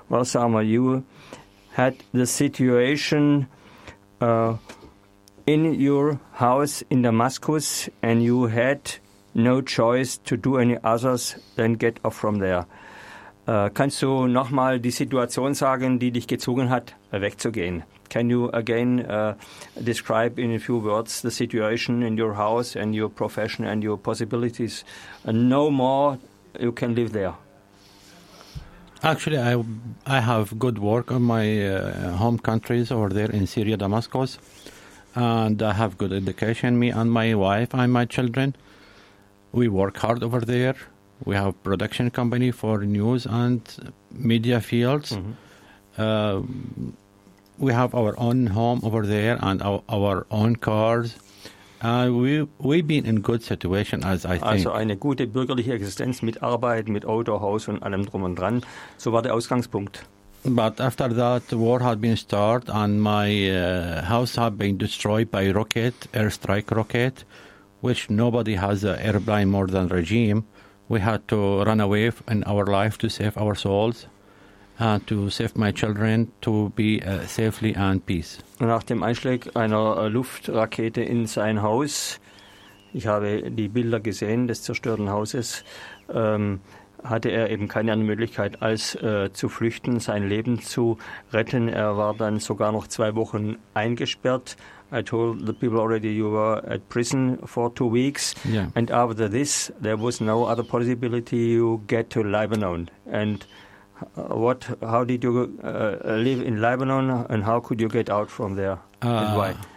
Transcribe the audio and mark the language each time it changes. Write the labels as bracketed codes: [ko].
[en] Well, Salma, you had the situation in your house in Damascus, and you had no choice to do any others than get off from there. [de] Kannst du nochmal die Situation sagen, die dich gezwungen hat, wegzugehen? [en] Can you again describe in a few words the situation in your house and your profession and your possibilities? No more you can live there. Actually, I have good work in my home countries over there in Syria, Damascus. And I have good education, me and my wife and my children. We work hard over there. We have a production company for news and media fields. Mm-hmm. We have our own home over there and our own cars. We've been in good situation, as I think. [de] Also eine gute bürgerliche Existenz mit Arbeit, mit Auto, Haus und allem drum und dran. So war der Ausgangspunkt. [en] But after that, the war had been started and my house had been destroyed by rocket, airstrike rocket, which nobody has an airplane more than regime. We had to run away in our life to save our souls, to save my children, to be safely and peace. [de] Nach dem Einschlag einer Luftrakete in sein Haus, ich habe die Bilder gesehen des zerstörten Hauses, hatte er eben keine andere Möglichkeit, als zu flüchten, sein Leben zu retten. Er war dann sogar noch 2 Wochen eingesperrt. [en] I told the people already you were at prison for 2 weeks. Yeah. And after this, there was no other possibility you get to Lebanon. And how did you live in Lebanon and how could you get out from there and why?